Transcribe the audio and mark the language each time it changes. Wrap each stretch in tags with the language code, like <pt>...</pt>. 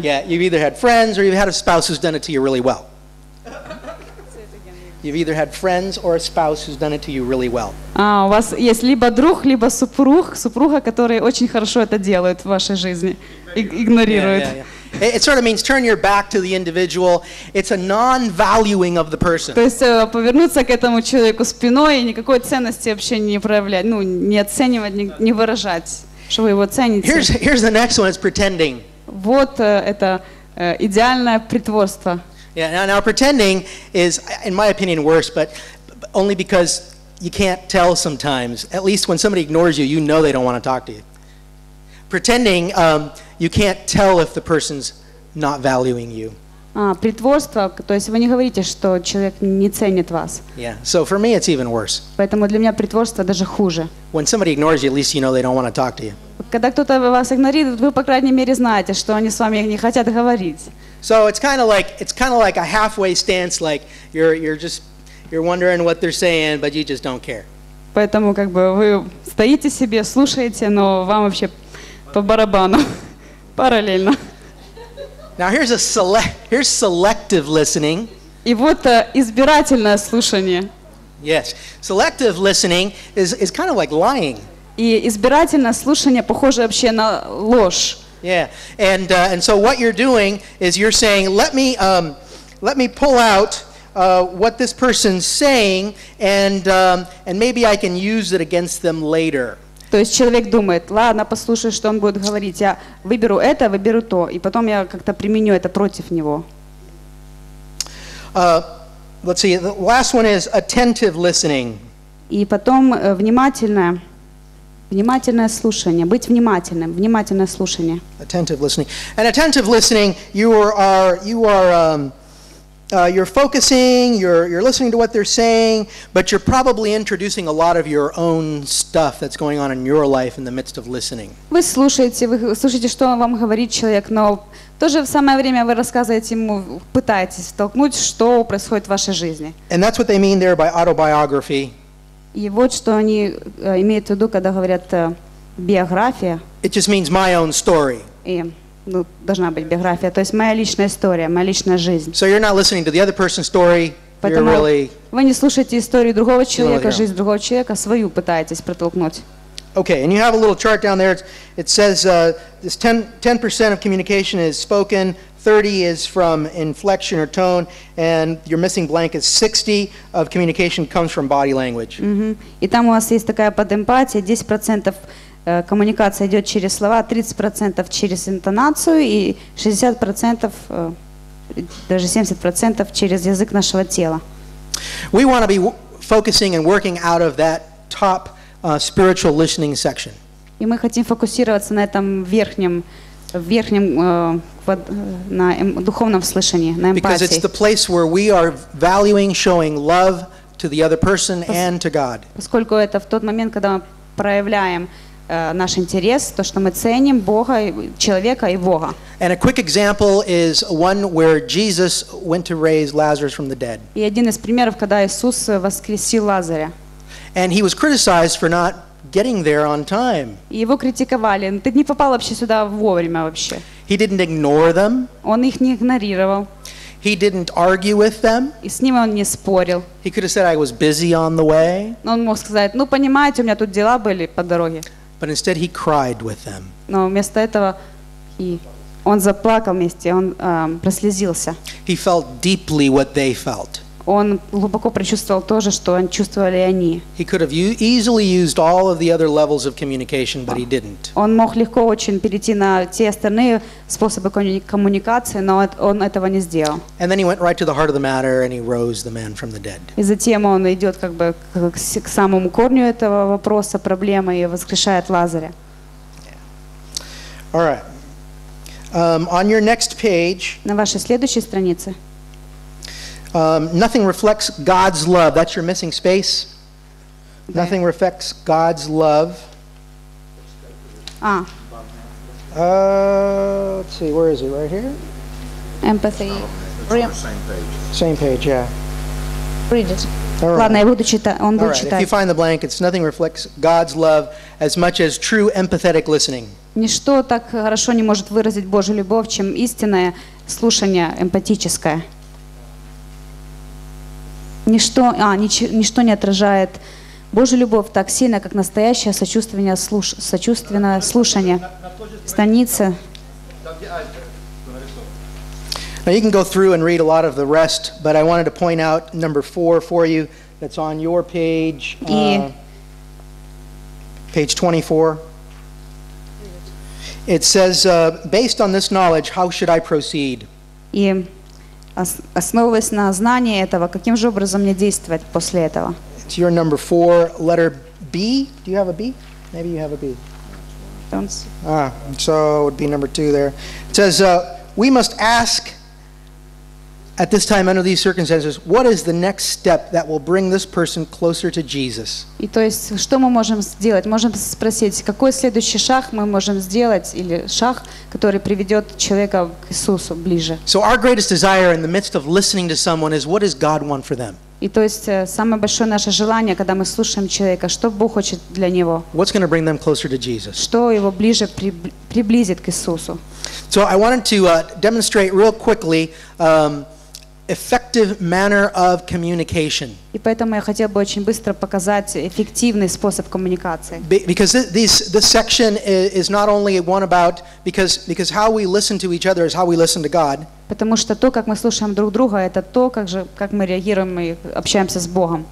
<en>Yeah, you've either had friends or you've had a spouse who's done it to you really well. You've either had friends or a spouse who's done it to you really well.</en> <ru>У вас есть либо друг, либо супруга, которые очень хорошо это делают в вашей жизни. Игнорируют.</ru> <en>Yeah, yeah, yeah. It sort of means turn your back to the individual. It's a non-valuing of the person.</en> <ru>То есть повернуться к этому человеку спиной и никакой ценности вообще не проявлять, ну, не оценивать, не выражать, что вы его цените.</ru> <en>Here's the next one, it's pretending.</en> <ru>Вот это идеальное притворство.</ru> <en>Yeah, now pretending is, in my opinion, worse, but only because you can't tell sometimes. At least when somebody ignores you, you know they don't want to talk to you. Pretending, you can't tell if the person's not valuing you.</en> <ru>Притворство, то есть вы не говорите, что человек не ценит вас.</ru> <en>Yeah, so for me it's even worse.</en> <ru>Поэтому для меня притворство даже хуже.</ru> <en>When somebody ignores you, at least you know they don't want to talk to you.</en> <ru>Когда кто-то вас игнорирует, вы по крайней мере знаете, что они с вами не хотят говорить.</ru> <en>So it's kind of like a halfway stance, like you're wondering what they're saying, but you just don't care.</en> <ru>Поэтому как бы вы стоите себе, слушаете, но вам вообще по барабану. Параллельно.</ru> <en>Now here's selective listening.</en> <ru>И вот избирательное слушание.</ru> <en>Yes, selective listening is kind of like lying.</en> <ru>И избирательное слушание похоже вообще на ложь.</ru> <en>Yeah, and so what you're doing is you're saying, let me pull out what this person's saying, and maybe I can use it against them later.</en> <ru>То есть человек думает, ладно, послушай, что он будет говорить, я выберу это, выберу то, и потом я как-то применю это против него.</ru> <en>Let's see, the last one is attentive listening.</en> <ru>И потом внимательное слушание, быть внимательным, внимательное слушание.</ru> <en>Attentive listening. And attentive listening, you're focusing, you're listening to what they're saying, but you're probably introducing a lot of your own stuff that's going on in your life in the midst of listening.</en> <ru>Вы слушаете, что вам говорит человек, но в то же самое время вы рассказываете ему, пытаетесь втолкнуть, что происходит в вашей жизни.</ru> <en>And that's what they mean there by autobiography.</en> <ru>И вот что они имеют в виду, когда говорят биография.</ru> <en>It just means my own story.</en> <ru>Ну, должна быть биография, то есть моя личная история, моя личная жизнь.</ru> <en>So you're not listening to the other person's story.</en> <ru>Поэтому</ru> <en>you're really.</en> <ru>Вы не слушаете историю другого человека, жизнь другого человека, свою пытаетесь протолкнуть.</ru> <en>Okay, and you have a little chart down there. It says this 10% of communication is spoken, 30 is from inflection or tone, and your missing blank is 60 of communication comes from body language.</en> <ru>И там у вас есть такая подэмпатия, 10%. Коммуникация идет через слова, 30% через интонацию и 60%, даже 70% через язык нашего тела.</ru> <en>We want to be focusing and working out of that top spiritual listening section.</en> <ru>И мы хотим фокусироваться на этом верхнем, на духовном слышании, на эмпатии.</ru> <en>Because it's the place where we are valuing, showing love to the other person and to God.</en> <ru>Поскольку это в тот момент, когда мы проявляем наш интерес, то, что мы ценим Бога, человека и Бога.</ru> <en>And a quick example is one where Jesus went to raise Lazarus from the dead.</en> <ru>И один из примеров, когда Иисус воскресил Лазаря.</ru> <en>And he was criticized for not getting there on time.</en> <ru>И его критиковали. Ты не попал вообще сюда вовремя вообще.</ru> <en>He didn't ignore them.</en> <ru>Он их не игнорировал.</ru> <en>He didn't argue with them.</en> <ru>И с ним он не спорил.</ru> <en>He could have said, I was busy on the way.</en> <ru>Он мог сказать, ну понимаете, у меня тут дела были по дороге.</ru> <en>But instead he cried with them.</en> <ru>Но вместо этого он заплакал вместе, он прослезился.</ru> <en>He felt deeply what they felt.</en> <ru>Он глубоко прочувствовал то же, что чувствовали они.</ru> <en>He could have easily used all of the other levels of communication, but he didn't.</en> <ru>Он мог легко очень перейти на те остальные способы коммуникации, но он этого не сделал.</ru> <en>And then he went right to the heart of the matter and he rose the man from the dead.</en> <ru>И затем он идет как бы к самому корню этого вопроса, проблемы, и воскрешает Лазаря.</ru> <en>All right. On your next page.</en> <ru>На вашей следующей странице.</ru> <en>Nothing reflects God's love. That's your missing space. Okay. Nothing reflects God's love. Let's see, where is it? Right here? Empathy. Same page, yeah. Read it.</en> <ru>Ладно, я буду читать. Он будет читать.</ru> <en>If you find the blank, it's nothing reflects God's love as much as true empathetic listening.</en> <ru>Ничто так хорошо не может выразить Божью любовь, чем истинное слушание эмпатическое. Ничто не отражает Божью любовь так сильно, как настоящее сочувственное слушание. Страница.</ru> <en>Now you can go through and read a lot of the rest, but I wanted to point out number 4 for you. That's on your page. Page 24. It says, based on this knowledge, how should I proceed?</en> <ru>И основываясь на знании этого, каким же образом мне действовать после этого?</ru> <en>It's your number four, letter B. Do you have a B? Maybe you have a B. Don't. Ah, so it would be number two there. It says, we must ask at this time under these circumstances, what is the next step that will bring this person closer to Jesus?</en> <ru>И то есть, что мы можем сделать? Можем спросить, какой следующий шаг мы можем сделать, или шаг, который приведет человека к Иисусу ближе?</ru> <en>So our greatest desire in the midst of listening to someone is, what does God want for them?</en> <ru>И то есть самое большое наше желание, когда мы слушаем человека, что Бог хочет для него?</ru> <en>What's going to bring them closer to Jesus?</en> <ru>Что его ближе приблизит к Иисусу?</ru> <en>So I wanted to demonstrate real quickly effective manner of communication.</en> <ru>И поэтому я хотел бы очень быстро показать эффективный способ коммуникации.</ru> <en>Because this section is not only one about because how we listen to each other is how we listen to God.</en> <ru>Потому что то, как мы слушаем друг друга, это то, как мы реагируем и общаемся с Богом.</ru>